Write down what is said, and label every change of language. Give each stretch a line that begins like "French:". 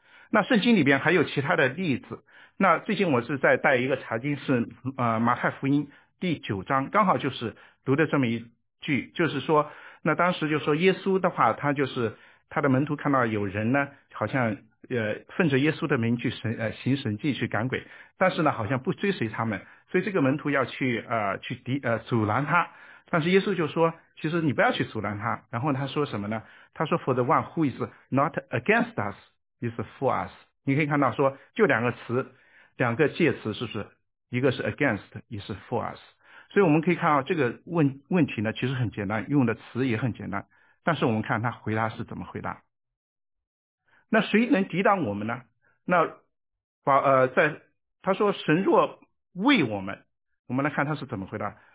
Chinese: 那圣经里边还有其他的例子。那最近我是在带一个查经，是马太福音第9章，刚好就是读的这么一句，就是说，那当时就说耶稣的话，他就是他的门徒看到有人呢，好像奉着耶稣的名去行神迹去赶鬼，但是呢好像不追随他们，所以这个门徒要阻拦他，但是耶稣就说，其实你不要去阻拦他，然后他说什么呢？他说
English: for the one who is not against us is for us，
Chinese: 你可以看到说就两个词，两个介词是不是？一个是 against，一个是 for us，所以我们可以看到这个问题呢，其实很简单，用的词也很简单，但是我们看他回答是怎么回答。那谁能抵挡我们呢？那在他说神若为我们，我们来看他是怎么回答。